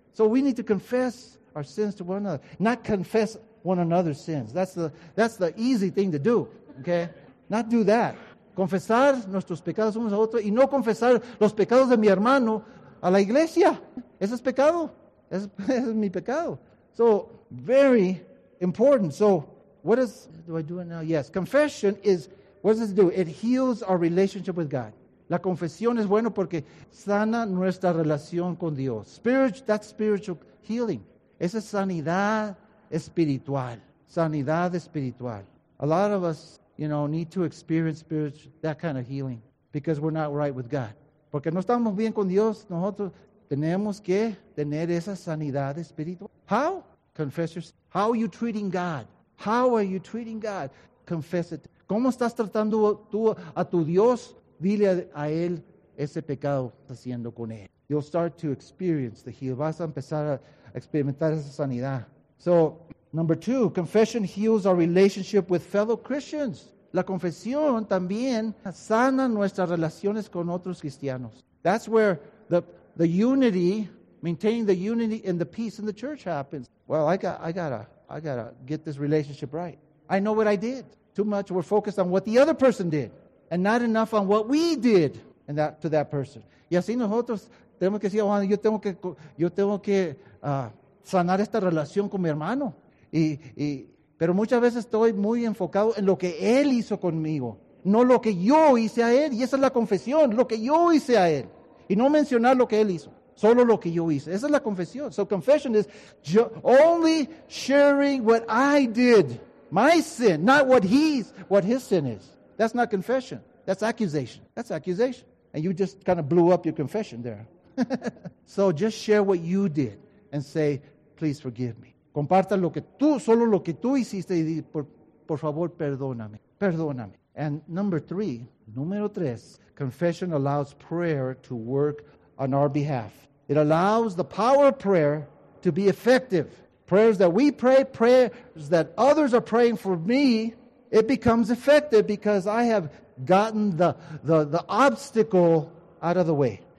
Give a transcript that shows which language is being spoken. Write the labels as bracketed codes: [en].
[en] So we need to confess our sins to one another, not confess one another's sins. That's the easy thing to do, okay? Not do that. [es] Confesar nuestros pecados unos a otros y no confesar los pecados de mi hermano a la iglesia. Ese es pecado. Ese es mi pecado. [en] So, very important. So, what do I do now? Yes, confession is, what does it do? It heals our relationship with God. [es] La confesión es bueno porque sana nuestra relación con Dios. [en] That's spiritual healing. [es] Esa es sanidad espiritual. Sanidad espiritual. [en] A lot of us, need to experience that kind of healing because we're not right with God. [es] Porque no estamos bien con Dios, nosotros tenemos que tener esa sanidad espiritual. [en] How? Confess your sin. How are you treating God? How are you treating God? Confess it. [es] ¿Cómo estás tratando tú a tu Dios? Dile a él ese pecado que estás haciendo con él. [en] You'll start to experience the healing. [es] Vas a empezar a experimentar esa sanidad. [en] So, number two, confession heals our relationship with fellow Christians. [es] La confesión también sana nuestras relaciones con otros cristianos. [en] That's where the unity, maintaining the unity and the peace in the church happens. Well, I gotta get this relationship right. I know what I did. Too much, we're focused on what the other person did and not enough on what we did to that person. [es] Y así nosotros tenemos que decir, bueno, yo tengo que sanar esta relación con mi hermano. Pero muchas veces estoy muy enfocado en lo que él hizo conmigo, no lo que yo hice a él. Y esa es la confesión, lo que yo hice a él. Y no mencionar lo que él hizo, solo lo que yo hice. Esa es la confesión. [en] So confession is only sharing what I did, my sin, not what his sin is. That's not confession. That's accusation. That's accusation. And you just kind of blew up your confession there. So just share what you did and say, please forgive me. [es] Comparta lo que tú, solo lo que tú hiciste y di, por favor, perdóname. Perdóname. [en] And number three, confession allows prayer to work on our behalf. It allows the power of prayer to be effective. Prayers that we pray, prayers that others are praying for me, it becomes effective because I have gotten the obstacle out of the way.